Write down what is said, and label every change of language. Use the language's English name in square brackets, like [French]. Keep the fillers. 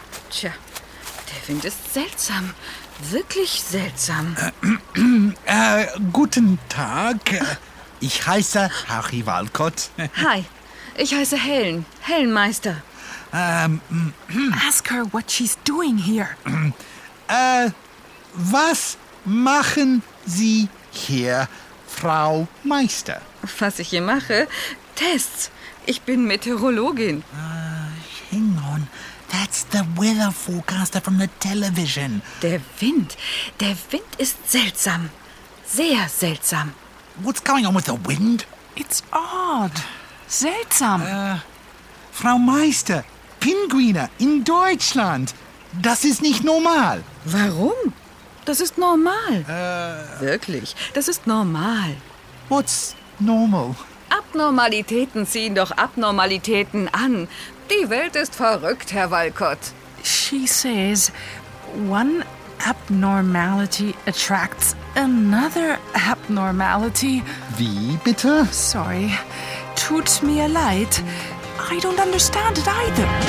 [German] Tja, der Wind ist seltsam. Wirklich seltsam. Äh, guten Tag. Ich heiße Harry Walcott. Hi, ich heiße Helen. Hellenmeister. [English] Ask her what she's doing here. [German] Was machen Sie hier, Frau Meister? Was ich hier mache? Tests. Ich bin Meteorologin. [English] Hang on, that's the weather forecaster from the television. [German] Der Wind. Der Wind ist seltsam. Sehr seltsam. [English] What's going on with the wind? It's odd. Seltsam. [German] Frau Meister, Pinguine in Deutschland. Das ist nicht normal. Warum? Das ist normal. Wirklich, das ist normal. [English] What's normal? [German] Abnormalitäten ziehen doch Abnormalitäten an. Die Welt ist verrückt, Herr Walcott. [English] She says one abnormality attracts another abnormality. [German] Wie bitte? Sorry. Tut mir leid. [English] I don't understand it either.